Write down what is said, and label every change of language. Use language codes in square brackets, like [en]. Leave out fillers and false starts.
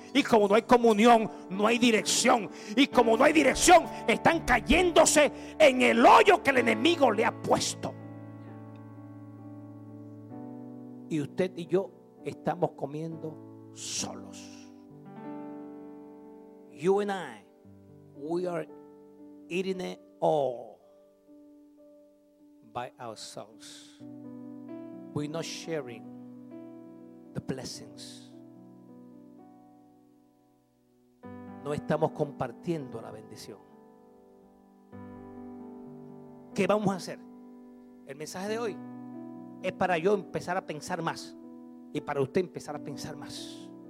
[es] Y como no hay comunión, no hay dirección. Y como no hay dirección, están cayéndose en el hoyo que el enemigo le ha puesto. Y usted y yo estamos comiendo solos. [en] You and I, we are eating it all by ourselves. We're not sharing the blessings. [es] No estamos compartiendo la bendición. ¿Qué vamos a hacer? El mensaje de hoy es para yo empezar a pensar más, y para usted empezar a pensar más.